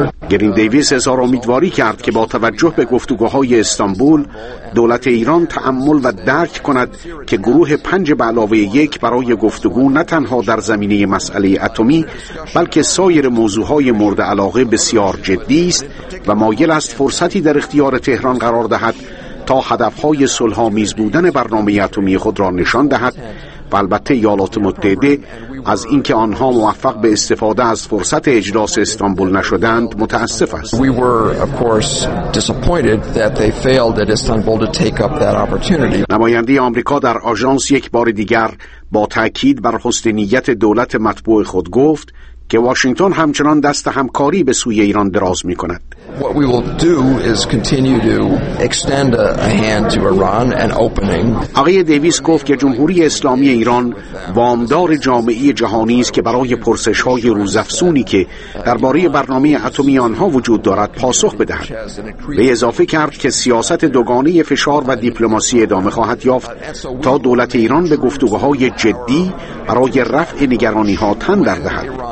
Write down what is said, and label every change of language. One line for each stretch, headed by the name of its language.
Persian: گرین دیویس اظهار امیدواری کرد که با توجه به گفتگوهای استانبول، دولت ایران تأمل و درک کند که گروه 5 به علاوه 1 برای گفتگو نه تنها در زمینه مسئله اتمی، بلکه سایر موضوعهای مورد علاقه بسیار جدی است و مایل است فرصتی در اختیار تهران قرار دهد تا هدفهای صلح‌آمیز بودن برنامه اتمی خود را نشان دهد و البته ایالات متحده از اینکه آنها موفق به استفاده از فرصت اجلاس استانبول نشدند متاسف است.
English: We were of course disappointed that they failed at Istanbul to take up that opportunity.
Persian: نماینده آمریکا در آژانس یک بار دیگر با تأکید بر حسن نیت دولت مطبوع خود گفت که واشنگتن همچنان دست همکاری به سوی ایران دراز می‌کند.
English: What we will do is continue to extend a hand to Iran and opening.
Persian: آقای دیویس گفت که جمهوری اسلامی ایران وامدار جامعه جهانی است که برای پرسش‌های روزافزونی که درباره برنامه اتمی آنها وجود دارد پاسخ بدهد. و اضافه کرد که سیاست دوگانه فشار و دیپلماسی ادامه خواهد یافت تا دولت ایران به گفتگوهای جدی برای رفع نگرانی‌ها تن دهد.